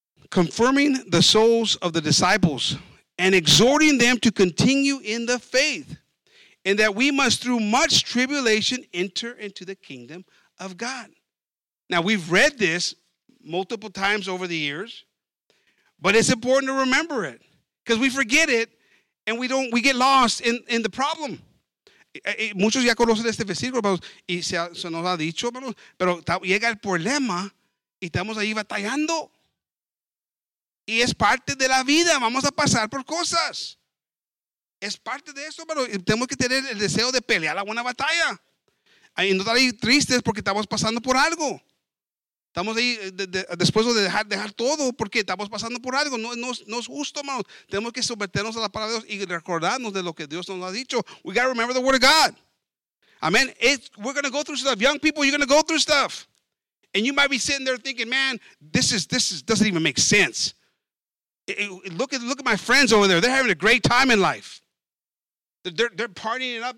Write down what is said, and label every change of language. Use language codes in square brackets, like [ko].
[en] Confirming the souls of the disciples and exhorting them to continue in the faith, and that we must through much tribulation enter into the kingdom of God. Now, we've read this multiple times over the years, but it's important to remember it because we forget it and we get lost in the problem. [es] Muchos ya conocen este versículo, hermanos, y se nos ha dicho, hermanos, pero llega el problema y estamos ahí batallando. Y es parte de la vida. Vamos a pasar por cosas. Es parte de eso, pero tenemos que tener el deseo de pelear la buena batalla. Y no estar ahí tristes porque estamos pasando por algo. Estamos ahí después de dejar todo porque estamos pasando por algo. No es justo, hermanos. Tenemos que someternos a la palabra de Dios y recordarnos de lo que Dios nos ha dicho. [en] We got to remember the word of God. Amen. We're going to go through stuff. Young people, you're going to go through stuff. And you might be sitting there thinking, man, this doesn't even make sense. Look at my friends over there. They're having a great time in life. They're partying it up.